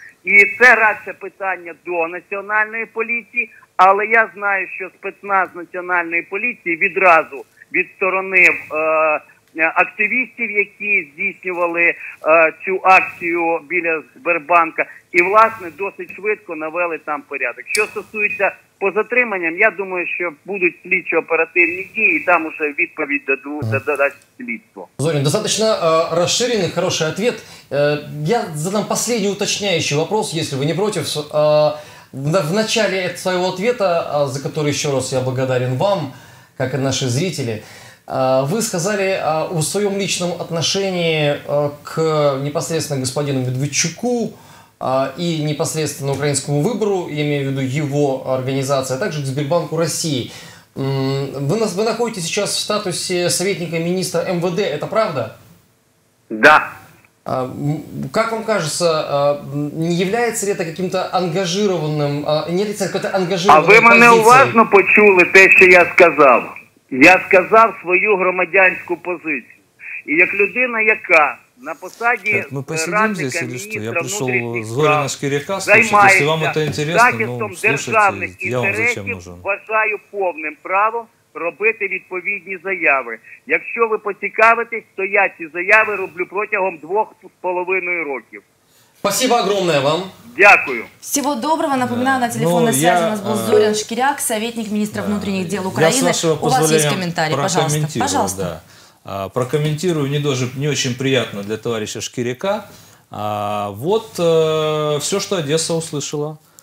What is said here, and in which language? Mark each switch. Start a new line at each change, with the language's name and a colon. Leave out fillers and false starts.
Ukrainian: І це радше питання до Національної поліції, але я знаю, що спецназ Національної поліції відразу відсторонив активістів, які здійснювали цю акцію біля Сбербанка, і, власне, досить швидко навели там порядок. Що стосується по затриманням, я думаю, що будуть слідчо-оперативні дії, і там уже відповідь дадуть слідство. Зорин, достатньо розширений, хороший ответ. Я задам останній
Russian: уточняющий вопрос,
Ukrainian: якщо ви не проти.
Russian: В начале своего ответа, за который еще раз я благодарен вам, как и наши зрители, вы сказали о своем личном отношении к непосредственно господину Медведчуку и непосредственно украинскому выбору, я имею в виду его организацию, а также к Сбербанку России. Вы находитесь сейчас в статусе советника министра МВД, это правда? Да. Как вам кажется, не является ли это каким-то ангажированным, не ли это какой-то ангажированной позицией? А вы меня
Ukrainian: уважно почули те,
Russian: что я сказал. Я сказал свою громадянскую позицию.
Ukrainian: И как людина, яка на посаде радника
Russian: министра внутренних
Ukrainian: справ, займается захистом державних интересов, вважаю повним правом робити відповідні заяви. Якщо ви поцікавитесь, то я ці заяви роблю протягом 2.5 років.
Russian: Спасибо огромное вам.
Ukrainian: Дякую.
Russian: Всего доброго. Напоминаю, на телефонной связи у нас был Зорин Шкиряк, советник министра внутренних дел Украины. Я, с вашего позволения, у вас есть комментарий, прокомментирую, пожалуйста. Да. Прокомментирую, не очень приятно для товарища Шкиряка. Вот все, что Одесса услышала.